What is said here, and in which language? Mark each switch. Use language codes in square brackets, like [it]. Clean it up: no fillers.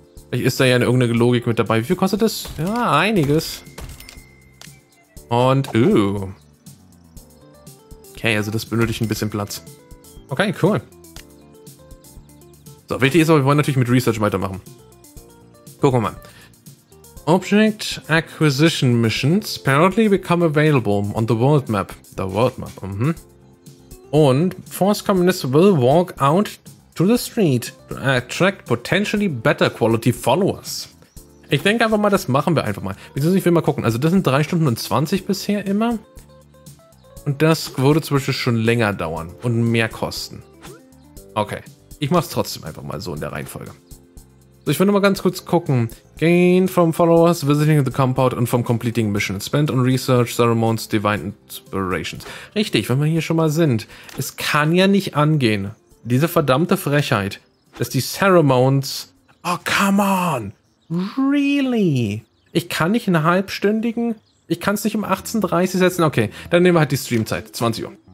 [de] Vielleicht ist da ja irgendeine Logik mit dabei. Wie viel kostet das? Ja, einiges. Und, okay, also das benötigt ein bisschen Platz. Okay, cool. So, wichtig ist aber, wir wollen natürlich mit Research weitermachen. Gucken wir mal. [en] Object Acquisition Missions apparently become available on the world map. The world map, mhm. [de] Und [en] Force Communists will walk out to the street to attract potentially better quality followers. [de] Ich denke einfach mal, das machen wir einfach mal. Beziehungsweise ich will mal gucken. Also das sind 3 Stunden und 20 bisher immer. Und das würde zum Beispiel schon länger dauern und mehr kosten. Okay, ich mach's trotzdem einfach mal so in der Reihenfolge. So, ich will nur mal ganz kurz gucken. [en] Gain from followers, visiting the compound [de] und [en] from completing mission. Spend on research, ceremonies, divine inspirations. [de] Richtig, wenn wir hier schon mal sind. Es kann ja nicht angehen, diese verdammte Frechheit, dass die ceremonies... [en] Oh, come on! Really? [de] Ich kann nicht einen halbstündigen... Ich kann es nicht um 18:30 setzen? Okay, dann nehmen wir halt die Streamzeit. 20 Uhr.